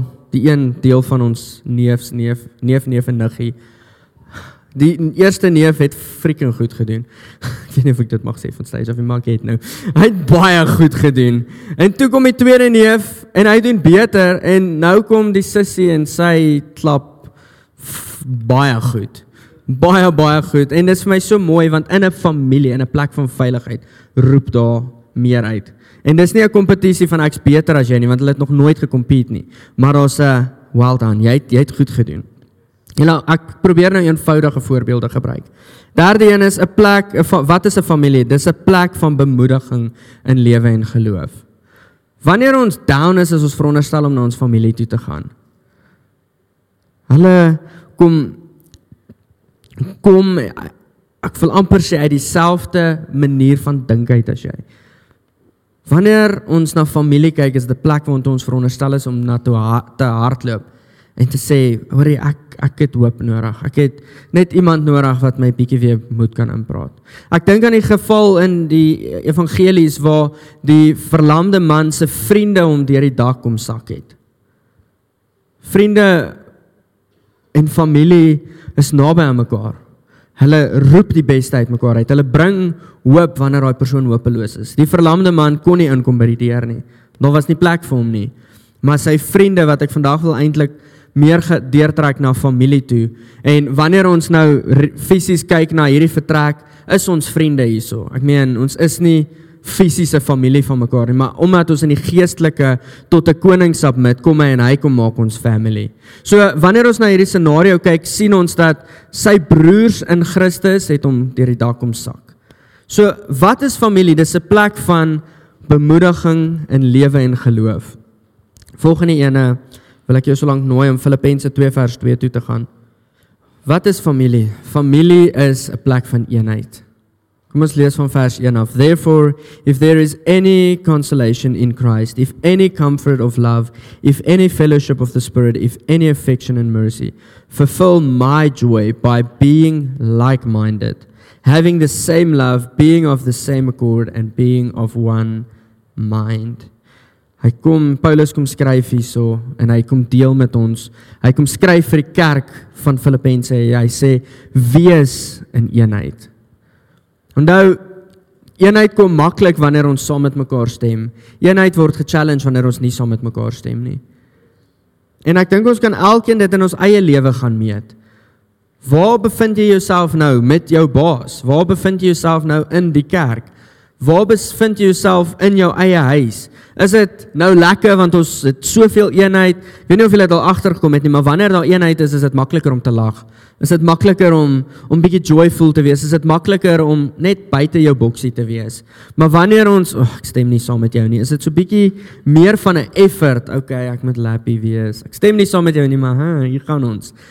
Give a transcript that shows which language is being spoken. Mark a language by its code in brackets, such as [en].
[af] Die een deel van ons neef en niggie. Die eerste neef het freaking goed gedoen. Ek weet nie of ek dit mag sê van stage of die mag het nou. Hy het baie goed gedoen. En toe kom die tweede neef en hy doen beter. En nou kom die sissie en sy klap baie goed. Baie, baie goed. En dit is vir my so mooi, want in 'n familie, in 'n plek van veiligheid, roep daar meer uit. En dis nie 'n kompetisie van ek is beter as jy nie, want hulle het nog nooit gecompete nie. Maar daar is [en] well done, [af] jy het goed gedoen. Nou, ek probeer nou eenvoudige voorbeelde gebruik. Derde een is, wat is 'n familie? Dis 'n plek van bemoediging in lewe en geloof. Wanneer ons down is, is ons veronderstel om na ons familie toe te gaan. Hulle kom, ek wil amper sê, uit dieselfde manier van dinkheid as jy. Wanneer ons na familie kyk, is die plek waar ons veronderstel is om na toe te hardloop en te sê, hoorie, ek het hoop nodig. Ek het net iemand nodig wat my bietjie weer moed kan inpraat. Ek dink aan die geval in die evangelies waar die verlamde man se vriende om deur die dak kom sak het. Vriende en familie is naby aan mekaar. Hulle roep die beste uit mekaar uit. Hulle bring hoop wanneer daai persoon hopeloos is. Die verlamde man kon nie inkom by die deur nie. Daar was nie plek vir hom nie. Maar sy vriende, wat ek vandag wil eintlik meer deurtrek na familie toe, en wanneer ons nou fisies kyk na hierdie vertrek, is ons vriende hierso. Ek meen, ons is nie fisiese familie van mekaar nie, maar omdat ons in die geestelike tot 'n koning submit, kom hy en hy kom maak ons family. So, wanneer ons na hierdie scenario kyk, sien ons dat sy broers in Christus het om deur die dak kom sak. So, wat is familie? Dis 'n plek van bemoediging in lewe en geloof. Volgende ene wil ek jou so lank nooi om Filippense 2 vers 2 toe te gaan. Wat is familie? Familie is 'n plek van eenheid. Kom ons lees van vers 1 af. [en] Therefore, if there is any consolation in Christ, if any comfort of love, if any fellowship of the Spirit, if any affection and mercy, fulfill my joy by being like-minded, having the same love, being of the same accord, and being of one mind. [af] Paulus kom skryf hierso, en hy kom deel met ons. Hy kom skryf vir die kerk van Filippense. Hy sê, wees in eenheid. Onthou, eenheid kom maklik wanneer ons saam met mekaar stem. Eenheid word gechallenged wanneer ons nie saam met mekaar stem nie. En ek dink ons kan elkeen dit in ons eie lewe gaan meet. Waar bevind jy jouself nou met jou baas? Waar bevind jy jouself nou in die kerk? Waar bevind jy jouself in jou eie huis? Is dit nou lekker, want ons het soveel eenheid? Ek weet nie of jy het al achtergekom het nie, maar wanneer daar eenheid is, is dit makkeliker om te lag? Is dit makkeliker om bietjie joyful te wees? Is dit makkeliker om net buiten jou boksie te wees? Maar wanneer ons, oh, ek stem nie saam met jou nie, is dit so bietjie meer van 'n effort? Okay, ek moet lappy wees. Ek stem nie saam met jou nie, maar hier gaan ons.